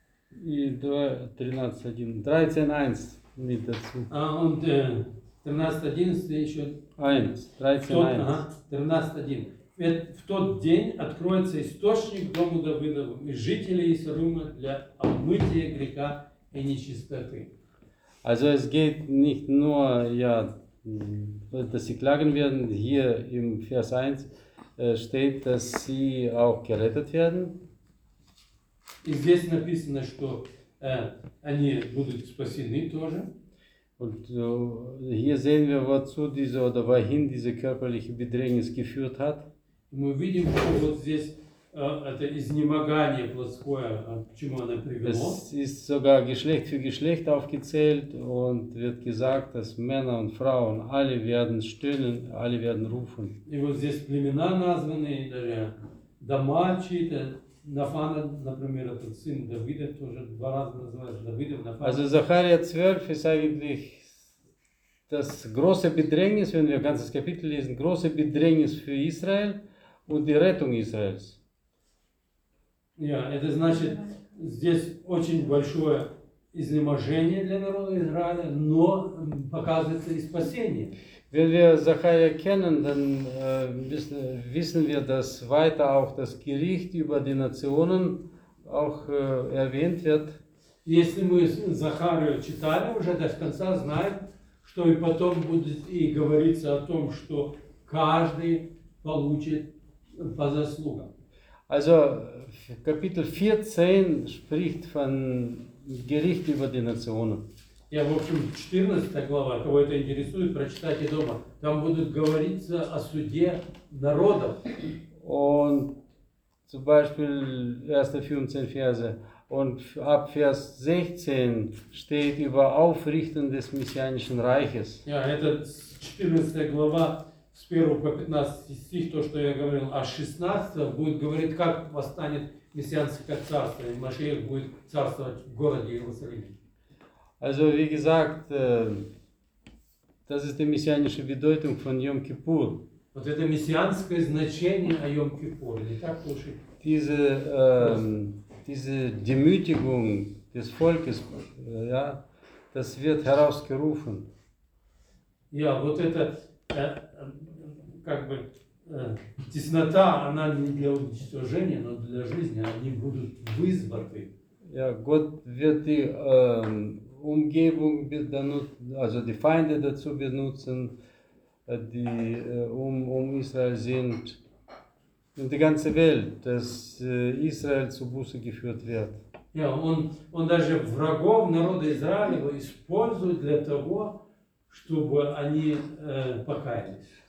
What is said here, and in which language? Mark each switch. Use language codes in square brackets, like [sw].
[ru] И 13.1. 13.1. [de] Mit dazu. Und 13.11 еще. 13.1. [ru] В тот день откроется источник дому Давыдову и жителей Иерусалима для омытия греха и нечистоты. [de] Also es geht nicht nur, ja, dass sie klagen werden. Hier im Vers 1 steht, dass sie auch gerettet werden. [ru] И здесь написано, что они будут спасены тоже. [de] Und hier sehen wir, wozu diese oder wohin diese körperliche Bedrängnis geführt hat. [ru] Мы видим, что вот здесь это изнемогание плотское, к чему оно привело. [de] Es ist sogar Geschlecht für Geschlecht aufgezählt und wird gesagt, dass Männer und Frauen alle werden stöhnen, alle werden rufen. [ru] И вот здесь племена названы, даже дома чьи-то. Нафана, например, этот сын Давида тоже два раза называется Давидом. [de] Also Zacharia 12 ist eigentlich das große Bedrängnis, wenn wir ganzes Kapitel lesen, große Bedrängnis für Israel und die Rettung Israels. [ru] Ja, это значит, здесь очень большое изнеможение для народа Израиля, но показывается и спасение. [de] Wenn wir Zacharia kennen, dann wissen wir, dass weiter auch das Gericht über die Nationen auch erwähnt wird. [ru] Если мы Захарию читали уже до конца, знаем, что и потом будет и говориться о том, что каждый получит по заслугам. [de] Also Kapitel 14 spricht von Gericht über die Nationen. [ru] Я, в общем, 14 глава, кого это интересует, прочитайте дома. Там будут говориться о суде народов. [de] Он, zum Beispiel, 1-15 Verse. Und ab Vers 16 steht über Aufrichten des messianischen Reiches. [ru] Ja, это 14 глава, с 1 по 15 стих, то, что я говорил, а 16 будет говорить, как восстанет мессианское царство, и Машиах будет царствовать в городе Иерусалиме. [de] Also wie gesagt, das ist die messianische Bedeutung von Yom Kippur. [ru] Вот это мессианское значение о Йом Кипур. [de] Diese Demütigung des Volkes, ja, das wird herausgerufen. [ru] Ja, вот это как бы теснота, она не для уничтожения, но для жизни, они будут вызваны. [de] Ja, Gott wird die Umgebung benutzen, also die Feinde dazu benutzen, die um Israel sind und die ganze Welt, dass Israel zu Buße geführt wird. [ru] Ja, und даже врагов народа Израилева используют для того, чтобы они покаялись.